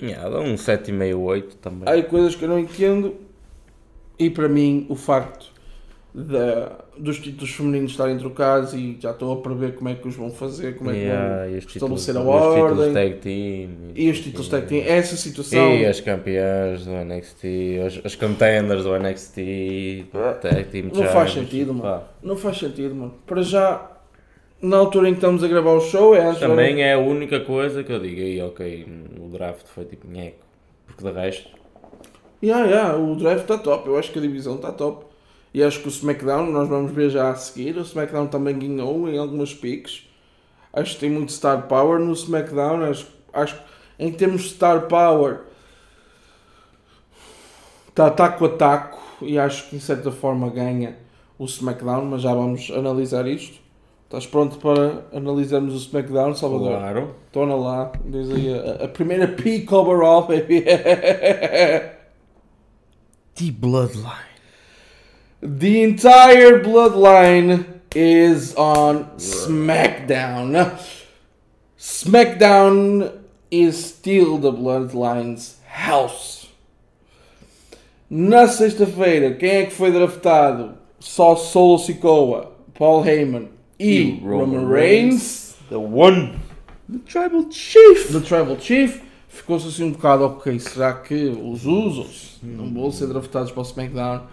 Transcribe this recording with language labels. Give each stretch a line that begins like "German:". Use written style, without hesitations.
Portuguese: Dou um 7,5, 8 também. Há coisas que eu não entendo. E para mim, o facto dos títulos femininos estarem trocados e já estou a prever como é que os vão fazer, como é que vão estabelecer títulos, a ordem. Os títulos tag team. E os títulos tag team. Essa situação. E as campeãs do NXT, as contenders do NXT, tag team. Não faz sentido, mano. Não faz sentido, mano. Para já, na altura em que estamos a gravar o show, é antes. Também é a única coisa que eu digo aí, ok, o draft foi tipo nheco. Porque de resto. O draft está top. Eu acho que a divisão está top. E acho que o SmackDown, nós vamos ver já a seguir, o SmackDown também ganhou em algumas picks. Acho que tem muito star power no SmackDown. Acho que em termos de star power, está taco a taco. E acho que, de certa forma, ganha o SmackDown. Mas já vamos analisar isto. Estás pronto para analisarmos o SmackDown, Salvador? Claro. Torna lá. Diz aí a primeira pick overall, baby.
English: The Bloodline. The entire Bloodline is on SmackDown. SmackDown is still the Bloodline's house.
Portuguese: Na sexta-feira, quem é que foi draftado? Só Solo Sikoa, Paul Heyman e Roman Reigns.
English: The one. The Tribal Chief. The Tribal Chief.
Portuguese: Ficou-se assim um bocado, ok, será que os Usos não vão ser draftados para o SmackDown?